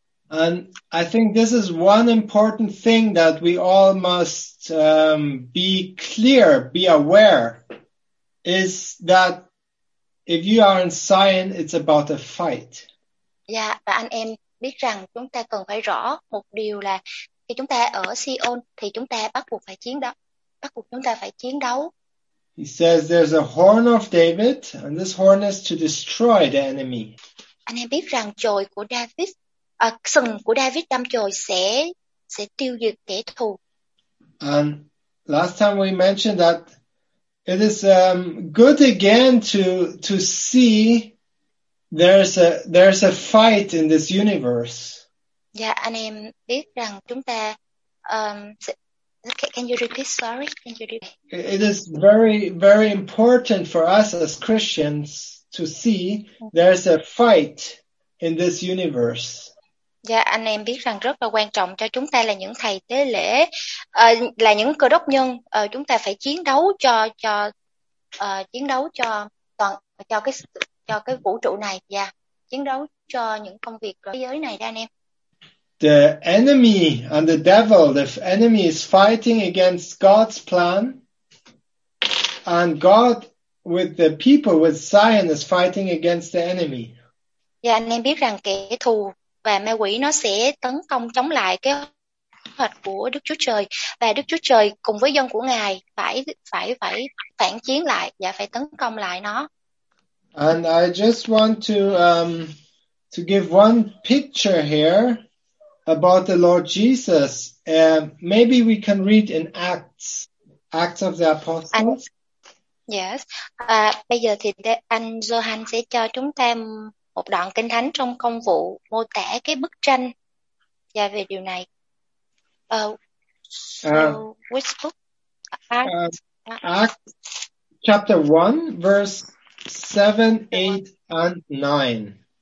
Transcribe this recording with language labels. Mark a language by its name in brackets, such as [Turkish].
[English] And I think this is one important thing that we all must be clear, be aware, is that if you are in Zion, it's about a fight. [Vietnamese] Và anh em biết rằng chúng ta cần phải rõ một điều là khi chúng ta ở Sion thì chúng ta bắt buộc phải chiến đấu, bắt buộc chúng ta phải chiến đấu. [English] He says there's a horn of David, and this horn is to destroy the enemy. [Vietnamese] Anh em biết rằng chồi của David, sừng của David đâm chồi sẽ tiêu diệt kẻ thù. [English] And last time we mentioned that it is good again to see there's a fight in this universe. [Vietnamese] Anh em biết rằng chúng ta [English] can you repeat? Sorry, can you repeat? It is very, very important for us as Christians to see there's a fight in this universe. [Vietnamese] Anh em biết rằng rất là quan trọng cho chúng ta là những thầy tế lễ, là những cơ đốc nhân, chúng ta phải chiến đấu cho chiến đấu cho toàn cho cái vũ trụ này và yeah, chiến đấu cho những công việc của thế giới này đó anh em. [English] The enemy and the devil, the enemy is fighting against God's plan, and God with the people with Zion is fighting against the enemy. [Vietnamese] Yeah, anh em biết rằng kẻ thù và ma quỷ nó sẽ tấn công chống lại cái hoạch của Đức Chúa Trời và Đức Chúa Trời cùng với dân của Ngài phải phải phải phản chiến lại và phải tấn công lại nó. [English] And I just want to give one picture here about the Lord Jesus. Maybe we can read in Acts of the Apostles. [Vietnamese] Bây giờ thì anh Johan sẽ cho chúng ta một đoạn kinh thánh trong công vụ mô tả cái bức tranh và về điều này. [English] Which book? Acts chapter 1 verse 7, 8 and 9.